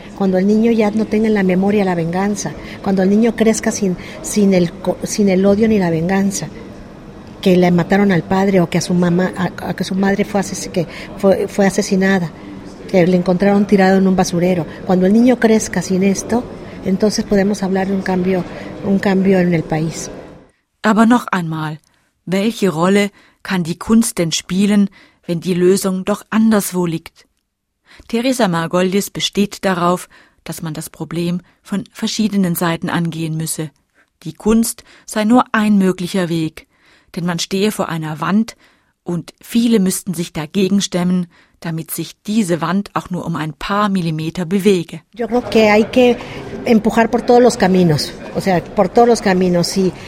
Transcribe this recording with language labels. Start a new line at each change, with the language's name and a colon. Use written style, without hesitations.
Spanish: Cuando el niño ya no tenga en la memoria la venganza, cuando el niño crezca sin el odio ni la venganza. Que le mataron al padre o que a su mamá, a que su madre fue asesinada, que le encontraron tirado en un basurero. Cuando el niño crezca sin esto, entonces podemos hablar de un cambio en el país.
German: Aber noch einmal, welche Rolle kann die Kunst denn spielen, wenn die Lösung doch anderswo liegt? Teresa Margoldis besteht darauf, dass man das Problem von verschiedenen Seiten angehen müsse. Die Kunst sei nur ein möglicher Weg. Denn man stehe vor einer Wand und viele müssten sich dagegen stemmen, damit sich diese Wand auch nur um ein paar Millimeter bewege.
Spanish: Yo creo que hay que empujar por todos los caminos, o sea, por todos los caminos.